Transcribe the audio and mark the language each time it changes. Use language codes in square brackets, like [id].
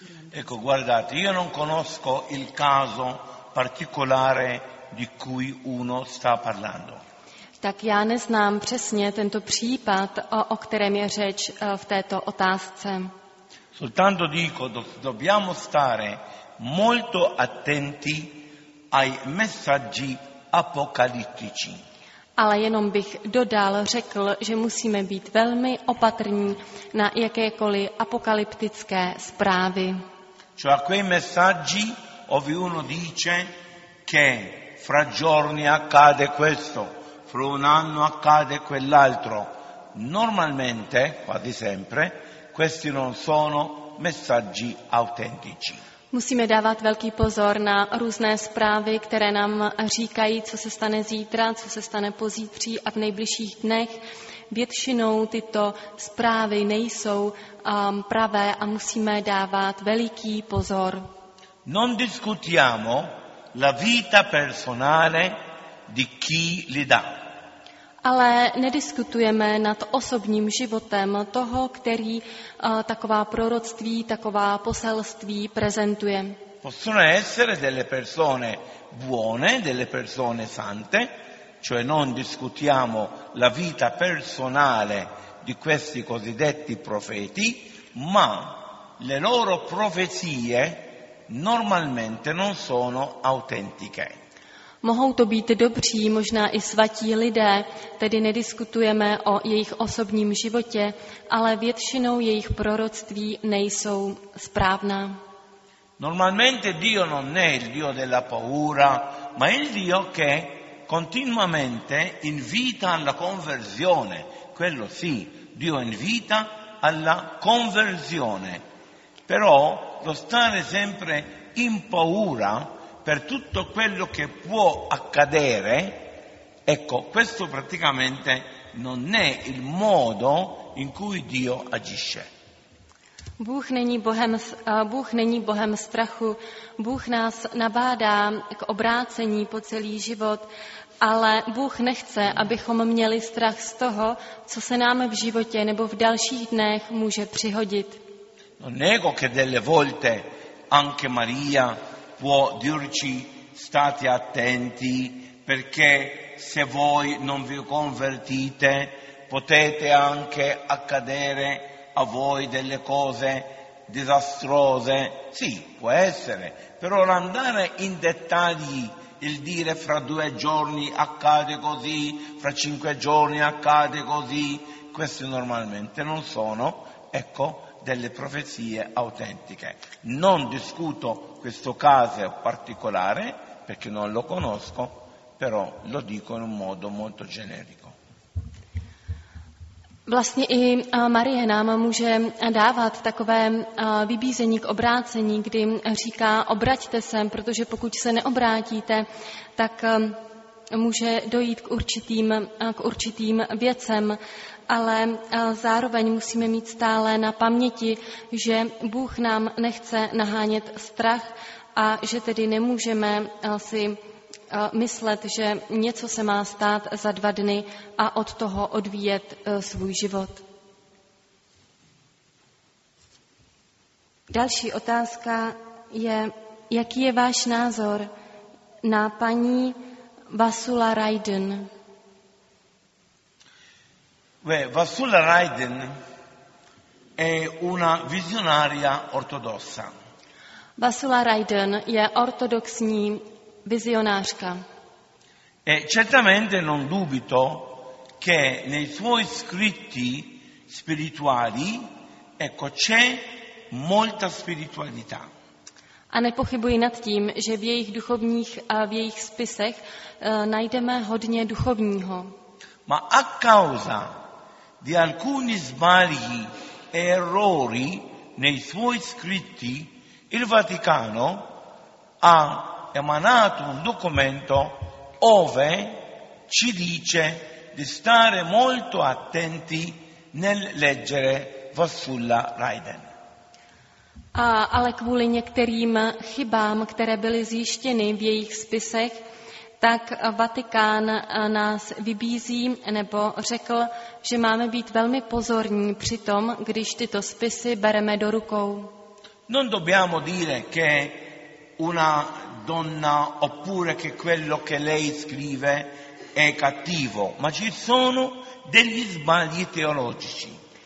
[it] Ecco, guardate, io non conosco il caso particolare di cui uno sta parlando. [cs] Tak já neznám přesně tento případ, o kterém je řeč v této otázce. [it] Soltanto dico, dobbiamo stare molto attenti ai messaggi apocalittici. [cs] Ale jenom bych dodal, řekl, že musíme být velmi opatrní na jakékoliv apokalyptické zprávy. [it] Cioè a quei messaggi ove uno dice che fra giorni accade questo, fra un anno accade quell'altro. Normalmente, quasi sempre, questi non sono messaggi autentici. [cs] Musíme dávat velký pozor na různé zprávy, které nám říkají, co se stane zítra, co se stane pozítří a v nejbližších dnech. Většinou tyto zprávy nejsou pravé a musíme dávat veliký pozor. [it] Non discutiamo la vita personale di chi li dà. [cs] Ale nediskutujeme nad osobním životem toho, který taková proroctví, taková poselství prezentuje. [it] Possono essere delle persone buone, delle persone sante, cioè non discutiamo la vita personale di questi cosiddetti profeti, ma le loro profezie normalmente non sono autentiche. [cs] Mohou to být dobří, možná i svatí lidé, tedy nediskutujeme o jejich osobním životě, ale většinou jejich proroctví nejsou správná. [it] Normalmente Dio non è il Dio della paura, ma il Dio che continuamente invita alla conversione. Quello sì, Dio invita alla conversione. Però lo stare sempre in paura per tutto quello che può accadere, ecco, questo praticamente non è il modo in cui Dio agisce. [cs] Bůh není Bohem strachu. Bůh nás nabádá k obrácení po celý život, ale Bůh nechce, abychom měli strach z toho, co se nám v životě nebo v dalších dnech může přihodit. [it] Non è che delle volte anche Maria può dirci state attenti perché se voi non vi convertite potete anche accadere a voi delle cose disastrose. Sì, può essere, però l'andare in dettagli, il dire fra due giorni accade così, fra cinque giorni accade così, queste normalmente non sono, ecco, delle profezie autentiche. Non discuto questo caso particolare perché non lo conosco, però lo dico in un modo molto generico. [cs] Vlastně i Marie nám může dávat takové vybízení k obrácení, kdy říká, obraťte se, protože pokud se neobrátíte, tak může dojít k určitým věcem. Ale zároveň musíme mít stále na paměti, že Bůh nám nechce nahánět strach a že tedy nemůžeme si myslet, že něco se má stát za dva dny a od toho odvíjet svůj život. Další otázka je, jaký je váš názor na paní Vasula Raiden? [it] Vasula Raiden è una visionaria ortodossa. [cs] Vasula Raiden è ortodossa visionarka. [it] E certamente non dubito che nei suoi scritti spirituali, ecco, c'è molta spiritualità. [cs] A nepochybuji nad tím, že v jejich duchovních a v jejich spisech najdeme hodně duchovního. [it] Ma a causa di alcuni sbagli e errori nei suoi scritti, il Vaticano ha emanato un documento ove ci dice di stare molto attenti nel leggere Vasula Raiden. [cs] Ale kvůli některým chybám, které byly zjištěny v jejich spisech, tak Vatikán nás vybízí, nebo řekl, že máme být velmi pozorní při tom, když tyto spisy bereme do rukou. [it] Non dobbiamo dire che una donna oppure che quello che lei scrive è cattivo, ma ci sono degli sbagli teologici.